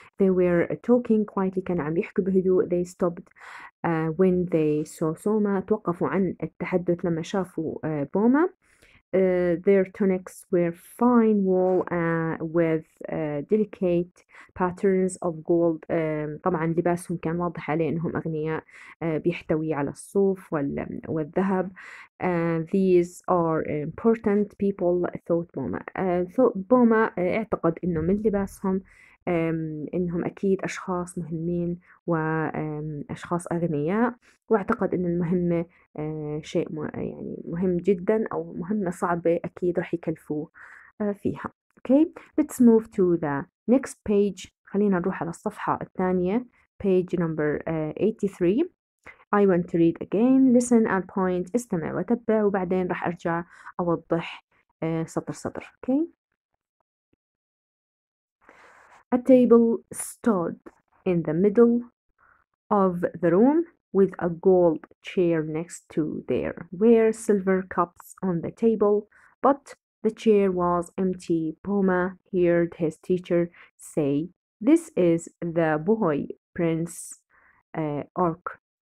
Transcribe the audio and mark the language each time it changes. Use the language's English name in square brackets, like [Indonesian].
[English] They were talking quietly. [Arabic] كانوا عم يحكوا بهدوء. [English] They stopped when they saw Soma. [Arabic] توقفوا عن التحدث لما شافوا بوما. [English] Their tunics were fine wool with delicate patterns of gold. [Arabic] طبعا لباسهم كان واضح عليه انهم اغنياء، بيحتوي على الصوف والذهب. [English] These are important people, thought Boma. [Arabic] Boma اعتقد انه من لباسهم انهم اكيد اشخاص مهمين واشخاص اغنياء، واعتقد ان المهمه شيء يعني مهم جدا او مهمه صعبه اكيد راح يكلفوه فيها. [English] Okay, let's move to the next page. خلينا نروح على الصفحه الثانيه. Page number 83. I want to read again. Listen and point. [Arabic] استمع وتبع، وبعدين رح أرجع أوضح سطر سطر. [English] Okay. A table stood in the middle of the room with a gold chair next to there. Were silver cups on the table, but the chair was empty. Puma heard his teacher say, "This is the boy, Prince Ork."